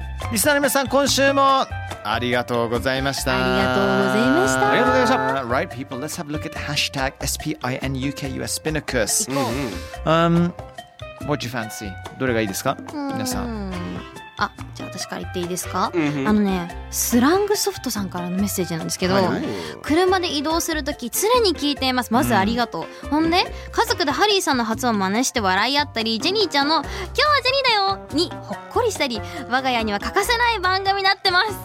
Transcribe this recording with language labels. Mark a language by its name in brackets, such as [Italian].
[Japanese] リスナーの皆さん、今週もありがとうございました。ありがとうございました。ありがとうございました。 [English] Right people, let's have a look at hashtag SPINUKUS Spinnacus、What do you fancy? [Japanese] どれがいいですか、皆さん。あ、じゃあ私から言っていいですか、あのね、スラングソフトさんからのメッセージなんですけど、はい、車で移動するとき常に聞いています。まずありがとう、ほんで家族でハリーさんの発音真似して笑い合ったり、ジェニーちゃんの今日はジェニーだよにほっこりしたり、我が家には欠かせない番組になってます。